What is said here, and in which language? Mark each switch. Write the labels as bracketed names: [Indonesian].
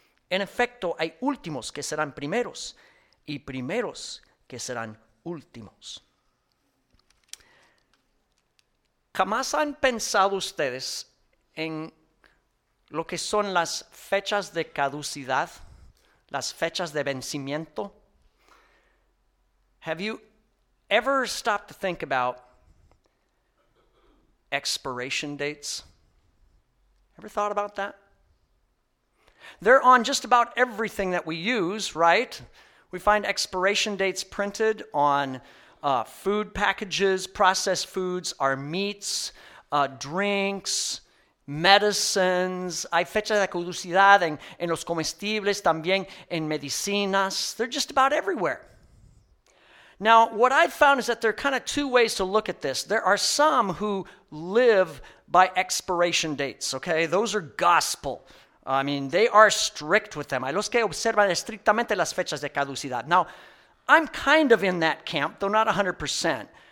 [Spanish] En efecto, hay últimos que serán primeros y primeros que serán últimos." ¿Jamás han pensado ustedes en lo que son las fechas de caducidad, las fechas de vencimiento? [English] Have you ever stopped to think about expiration dates? Ever thought about that? They're on just about everything that we use, right? We find expiration dates printed on food packages, processed foods, our meats, drinks, medicines. [Spanish] Hay fechas de caducidad en los comestibles, también en medicinas. [English] They're just about everywhere. Now, what I've found is that there are kind of two ways to look at this. There are some who live by expiration dates, okay? Those are gospel. I mean, they are strict with them. [Spanish] Hay los que observan estrictamente las fechas de caducidad. [English] Now, I'm kind of in that camp, though not 100%.